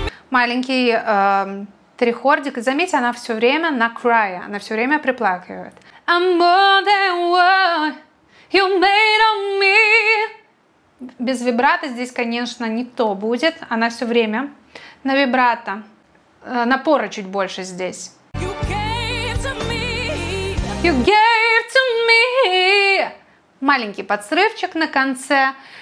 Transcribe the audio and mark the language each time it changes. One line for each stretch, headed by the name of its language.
Russian: Маленький трихордик. Заметьте, она все время на cry, она все время приплакивает.
English: I'm more than what you made of me.
Russian: Без вибрато здесь, конечно, не то будет. Она все время на вибрато. Напора чуть больше здесь.
English: You gave to me. You gave to me.
Russian: Маленький подсрывчик на конце.